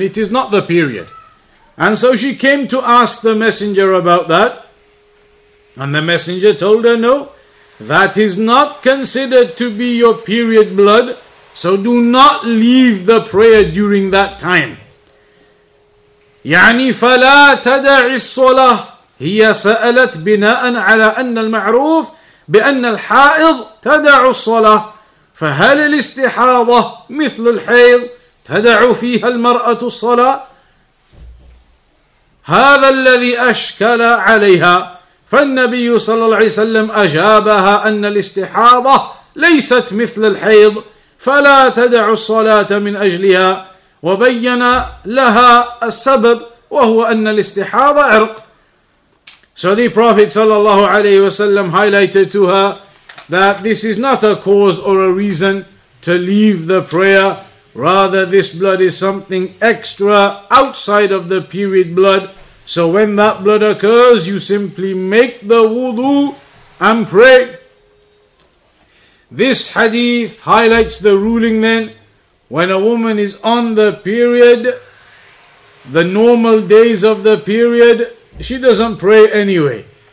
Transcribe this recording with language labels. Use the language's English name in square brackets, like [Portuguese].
[English] It is not the period. And so she came to ask the messenger about that. And the messenger told her, no, that is not considered to be your period blood. So do not leave the prayer during that time. [Arabic] يعني فلا تدع الصلاة هي سألت بناء على أن المعروف بأن الحائض تدع الصلاة فهل الاستحاضة مثل الحيض تدع فيها المرأة الصلاة هذا الذي أشكل عليها فالنبي صلى الله عليه وسلم أجابها أن الاستحاضة ليست مثل الحيض فلا تدع الصلاة من أجلها وبين لها السبب وهو أن الاستحاضة عرق [English] So the Prophet sallallahu alayhi wasallam highlighted to her that this is not a cause or a reason to leave the prayer. Rather, this blood is something extra outside of the period blood. So when that blood occurs, you simply make the wudu and pray. This hadith highlights the ruling then. When a woman is on the period, the normal days of the period, she doesn't pray anyway.